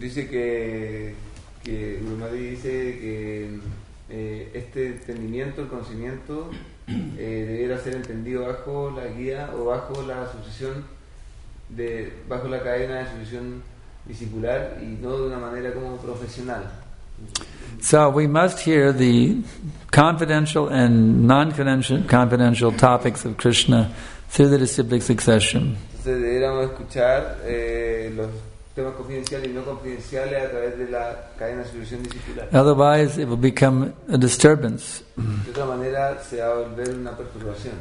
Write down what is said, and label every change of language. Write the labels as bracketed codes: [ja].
[es] Dice que Guru Mataji dice que este entendimiento, el conocimiento, debiera ser entendido bajo la guía o bajo la sucesión de bajo la cadena de sucesión discipular y no de una manera como profesional. [en] So we must hear the confidential and non-confidential topics of Krishna through the disciplic succession. [es] Entonces deberíamos escuchar los temas confidenciales y no confidenciales a través de la cadena de sucesión discipular. [en] Otherwise, it will become a disturbance. [es] De otra manera, se va a volver una perturbación.